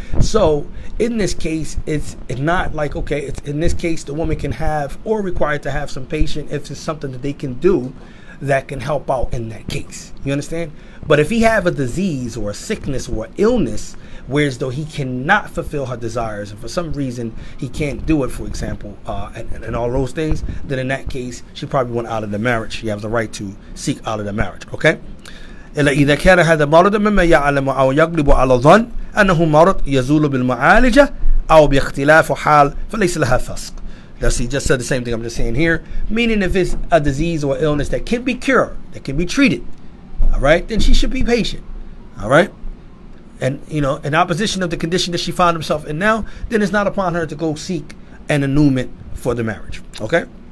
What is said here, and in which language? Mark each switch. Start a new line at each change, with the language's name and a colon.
English: So in this case, it's not like, okay, it's in this case the woman can have or required to have some patience if it's something that they can do that can help out in that case. You understand? But if he have a disease or a sickness or illness, whereas though he cannot fulfill her desires and for some reason he can't do it, for example, and all those things, then in that case, she probably went out of the marriage. She has the right to seek out of the marriage, okay?
Arabic: إلا إذا كان هذا مرض مما يعلم أو يغلب على ظن أنه مرض يزول بالمعالجة أو باختلاف حال فليس لها فسق.
English: That's, he just said the same thing I'm just saying here. Meaning if it's a disease or illness that can be cured, that can be treated, all right, then she should be patient, all right? And, you know, in opposition of the condition that she found herself in now, then it's not upon her to go seek an annulment for the marriage, okay?